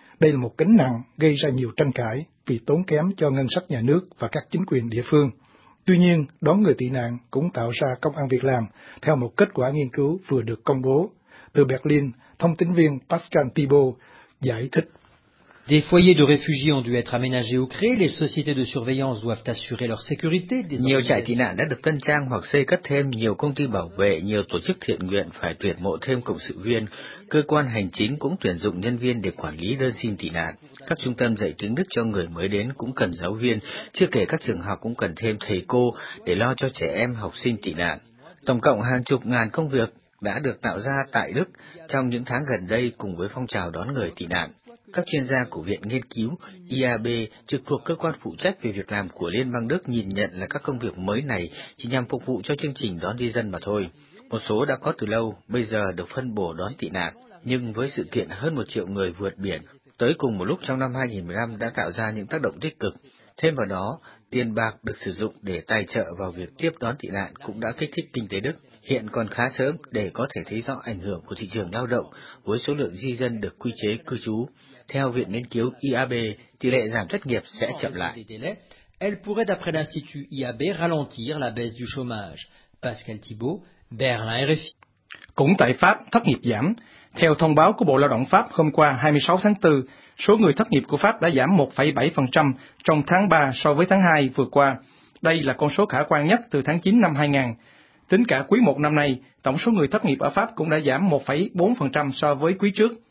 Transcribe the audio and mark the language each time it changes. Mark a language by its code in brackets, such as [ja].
[vi] Đây là một gánh nặng gây ra nhiều tranh cãi vì tốn kém cho ngân sách nhà nước và các chính quyền địa phương. Tuy nhiên, đón người tị nạn cũng tạo ra công ăn việc làm theo một kết quả nghiên cứu vừa được công bố. Từ Berlin, thông tin viên Pascal Thibault giải thích. [fr] Des foyers de réfugiés ont dû être aménagés ou créés. Les sociétés de surveillance doivent assurer leur sécurité. [vi] Nhiều trại tị nạn đã được tân trang hoặc xây cất thêm. Nhiều công ty bảo vệ, nhiều tổ chức thiện nguyện phải tuyển mộ thêm cộng sự viên. Cơ quan hành chính cũng tuyển dụng nhân viên để quản lý đơn xin tị nạn. Các trung tâm dạy tiếng Đức cho người mới đến cũng cần giáo viên. Chưa kể các trường học cũng cần thêm thầy cô để lo cho trẻ em học sinh tị nạn. Tổng cộng hàng chục ngàn công việc đã được tạo ra tại Đức trong những tháng gần đây cùng với phong trào đón người tị nạn. Các chuyên gia của Viện Nghiên cứu IAB trực thuộc cơ quan phụ trách về việc làm của Liên bang Đức nhìn nhận là các công việc mới này chỉ nhằm phục vụ cho chương trình đón di dân mà thôi. Một số đã có từ lâu, bây giờ được phân bổ đón tị nạn, nhưng với sự kiện hơn 1 triệu người vượt biển, tới cùng một lúc trong năm 2015 đã tạo ra những tác động tích cực. Thêm vào đó, tiền bạc được sử dụng để tài trợ vào việc tiếp đón tị nạn cũng đã kích thích kinh tế Đức. Hiện còn khá sớm để có thể thấy rõ ảnh hưởng của thị trường lao động với số lượng di dân được quy chế cư trú. Theo Viện Nghiên cứu IAB, tỷ lệ giảm thất nghiệp sẽ chậm lại. [fr] Elle pourrait, d'après l'Institut IAB, ralentir la baisse du chômage. Pascal Thibault, Berlin RFI. [vi] Cũng tại Pháp, thất nghiệp giảm. Theo thông báo của Bộ Lao động Pháp hôm qua 26 tháng 4, số người thất nghiệp của Pháp đã giảm 1,7% trong tháng 3 so với tháng 2 vừa qua. Đây là con số khả quan nhất từ tháng 9 năm 2000. Tính cả quý 1 năm nay, tổng số người thất nghiệp ở Pháp cũng đã giảm 1,4% so với quý trước.